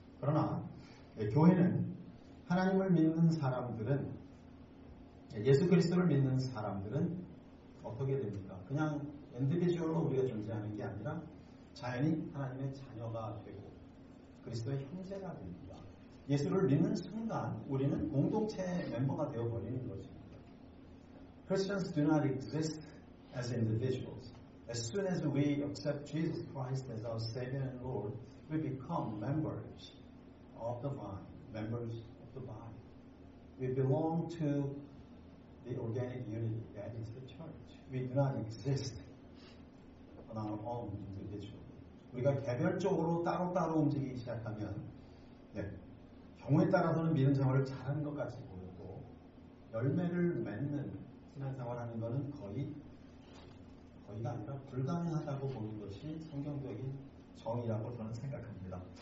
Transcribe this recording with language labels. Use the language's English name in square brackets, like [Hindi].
[Korean] 그러나 교회는, 하나님을 믿는 사람들은, 예수 그리스도를 믿는 사람들은 어떻게 됩니까? 그냥 인디비주얼로 우리가 존재하는 게 아니라 자연히 하나님의 자녀가 되고 그리스도의 형제가 됩니다. 예수를 믿는 순간 우리는 공동체 멤버가 되어버리는 것입니다. [English] Christians do not exist as individuals. As soon as we accept Jesus Christ as our Savior and Lord, we become members of the vine, members of the body. We belong to the organic unity that is the church. We do not exist on our own individual. [Korean] 우리가 개별적으로 따로따로 움직이기 시작하면, 네, 경우에 따라서는 믿음 생활을 잘하는 것 같이 보이고 열매를 맺는 신앙생활하는 것은 거의가 아니라 불가능하다고 보는 것이 성경적인 정의라고 저는 생각합니다.